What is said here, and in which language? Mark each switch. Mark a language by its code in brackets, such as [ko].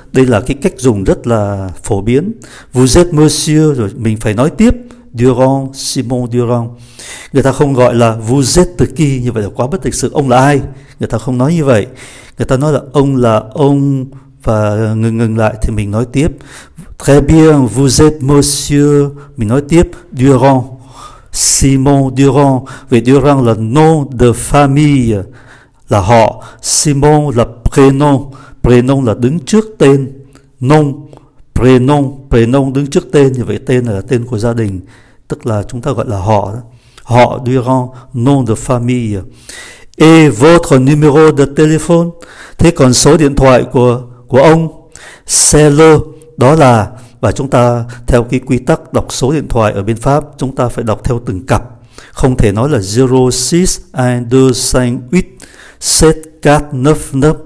[vi] Đây là cái cách dùng rất là phổ biến. [fr] Vous êtes monsieur. [vi] Rồi mình phải nói tiếp. Durand, Simon Durand. Người ta không gọi là [fr] vous êtes [vi] từ kỳ, như vậy là quá bất lịch sự. Ông là ai? Người ta không nói như vậy. Người ta nói là ông và ngừng ngừng lại thì mình nói tiếp. [fr] Très bien, vous êtes monsieur. [vi] Mình nói tiếp. Durand, Simon Durand. Vì Durand là nom de famille, là họ. Simon là prénom. Prénom là đứng trước tên. Nom, prénom. Prénom đứng trước tên, như vậy tên là tên của gia đình, tức là chúng ta gọi là họ. Họ Durand, nom de famille. [fr] Et votre numéro de téléphone? [vi] Thế còn số điện thoại của ông? [fr] C'est le, [vi] đó là. Và chúng ta theo cái quy tắc đọc số điện thoại ở bên Pháp, chúng ta phải đọc theo từng cặp, không thể nói là 06 1 2 5 8 7 4 9 9.